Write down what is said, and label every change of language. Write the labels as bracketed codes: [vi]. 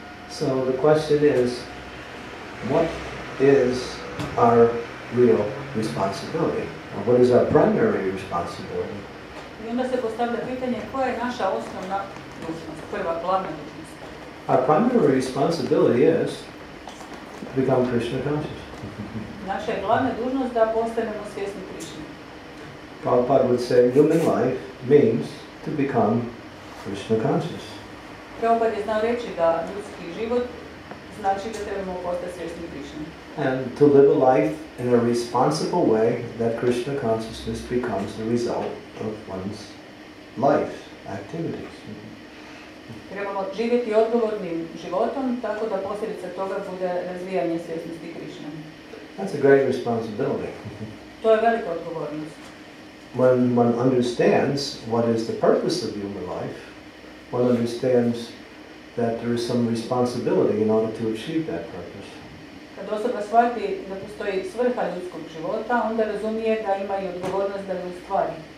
[en] So the question is, what is our real responsibility? Or what is our primary responsibility? [hr] I onda se postavlja pitanje koja je naša osnovna dužnost, koja je glavna dužnost. [en] Our primary responsibility is to become Krishna conscious. [hr] Naša je glavna dužnost da postanemo svjesni Krishna. [en] Prabhupada would say human life means to become Krishna conscious. [hr] Prabhupada je znao reći da ljudski život znači da trebamo postati svjesni Krishna. [en] And to live a life in a responsible way that Krishna consciousness becomes the result of one's life activities. [hr] Trebamo živjeti odgovornim životom tako da posljedica toga bude razvijanje svjesnosti Krishna. [en] That's a great responsibility. [hr] To je velika odgovornost. [en] When one understands what is the purpose of human life, one understands that there is some responsibility in order to achieve that purpose. [hr] Kad osoba shvati da postoji svrha ljudskog života, onda razumije da ima i odgovornost da ju ostvari.